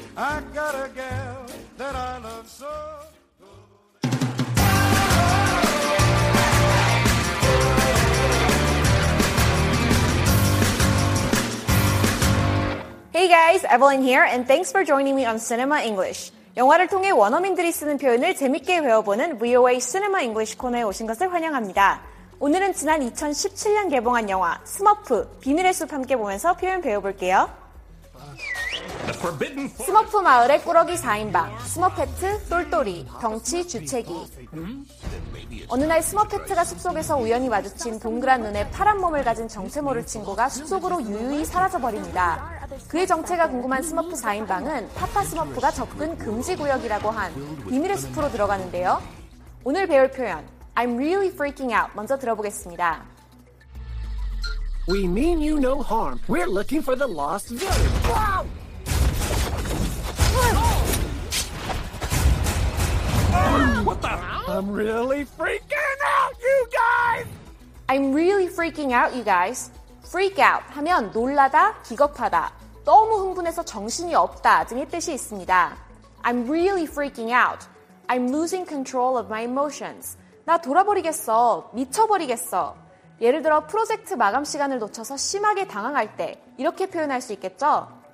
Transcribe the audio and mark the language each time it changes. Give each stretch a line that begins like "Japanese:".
English: I got a gal that I love so. Hey guys, Evelyn here, and thanks for joining me on Cinema English.
Korean: 영화를 통해 원어민들이 쓰는 표현을 재밌게 배워보는 VOA Cinema English 코너에 오신 것을 환영합니다. 오늘은 지난 2017년 개봉한 영화 스머프, 비밀의 숲 함께 보면서 표현 배워볼게요. 스머프 마을의 꾸러기 4인방, 스머페트, 똘똘이, 덩치, 주채기. 어느 날 스머페트가 숲속에서 우연히 마주친 동그란 눈에 파란 몸을 가진 정체모를 친구가 숲속으로 유유히 사라져버립니다. 그의 정체가 궁금한 스머프 4인방은 파파 스머프가 접근 금지 구역이라고 한 비밀의 숲으로 들어가는데요. 오늘 배울 표현,
English: I'm really freaking out
Korean: 먼저 들어보겠습니다.
English: We mean you no harm. We're looking for the lost village. Wow! What the hell? I'm really freaking out, you guys! I'm really freaking out, you guys.
Korean: Freak out 하면 놀라다, 기겁하다, 너무 흥분해서 정신이 없다 등의 뜻이 있습니다.
English: I'm really freaking out. I'm losing control of my emotions.
Korean: 나 돌아버리겠어, 미쳐버리겠어. 예를 들어 프로젝트 마감 시간을 놓쳐서 심하게 당황할 때 이렇게 표현할 수 있겠죠?